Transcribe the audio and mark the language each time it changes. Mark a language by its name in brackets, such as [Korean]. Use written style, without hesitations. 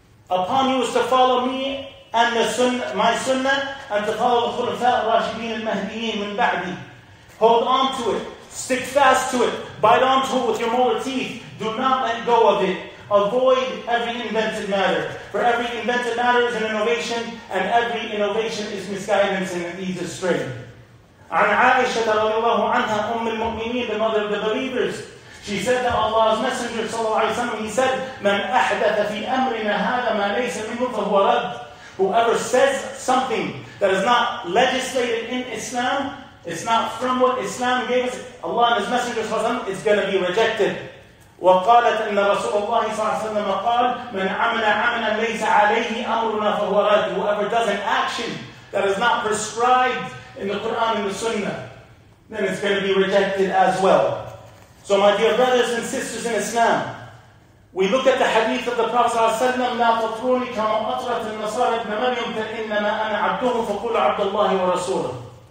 [English] Upon you is to follow me and the sunnah, my sunnah, and to follow the khulafa al-rashidin al-mahdiyin min ba'di. Hold on to it. Stick fast to it. Bite on to it with your molar teeth. Do not let go of it. Avoid every invented matter. For every invented matter is an innovation, and every innovation is misguidance and leads astray. [Arabic] عن عائشة رضي الله عنها أم المؤمنين, [English] the mother of the believers. She said that Allah's Messenger صلى الله عليه وسلم, he said, [Arabic] من أحدث في أمرنا هذا ما ليس منه فهو رد. [English] Whoever says something that is not legislated in Islam, it's not from what Islam gave us, Allah and His Messenger صلى الله عليه وسلم, it's going to be rejected. [Arabic] وقالت إن رسول الله صلى الله عليه وسلم قال من عمل عملا ليس عليه أمرنا فهو رد. [English] Whoever does an action that is not prescribed in the Quran and the Sunnah, then it's going to be rejected as well. So my dear brothers and sisters in Islam, we look at the hadith of the Prophet ﷺ, [Arabic] لَا تَطْرُونِ كَمَا أَطْرَةِ النَّصَارِ ابْنَ مَرْيَمْ فَإِنَّمَا أَنَا عَبْدُهُ فَقُلُ عَبْدَ اللَّهِ وَرَسُولَهُ.